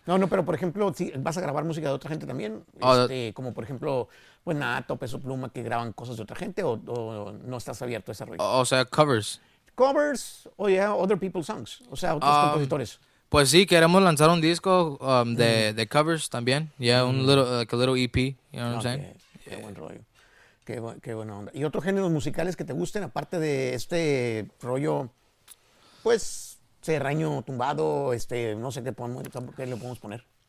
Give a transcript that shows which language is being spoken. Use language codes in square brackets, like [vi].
[es] No, pero por ejemplo, si vas a grabar música de otra gente también, como por ejemplo, pues Nato, Peso Pluma, que graban cosas de otra gente o no estás abierto a ese rollo. O sea, covers. Covers o ya [en] other people's songs, [es] o sea, otros compositores. Pues sí, queremos lanzar un disco de covers también. [en] Yeah, un little, like a little EP, you know what I'm saying? [es] Qué buen rollo. Qué buena onda. ¿Y otros géneros musicales que te gusten, aparte de este rollo, pues, serraño tumbado, no sé qué le podemos poner?